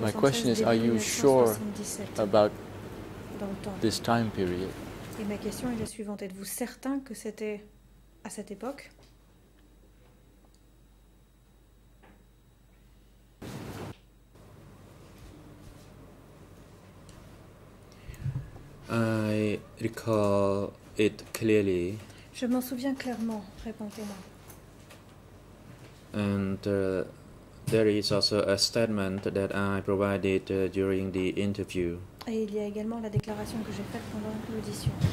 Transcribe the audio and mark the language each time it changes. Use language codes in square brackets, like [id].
[en] My question is, are you sure about this time period? [fr] Et ma question est la suivante, êtes-vous certain que c'était à cette époque? [en] I recall it clearly. [fr] Je m'en souviens clairement, répondez-moi. [en] And there is also a statement that I provided during the interview. [fr] Et il y a également la déclaration que j'ai faite pendant l'audition.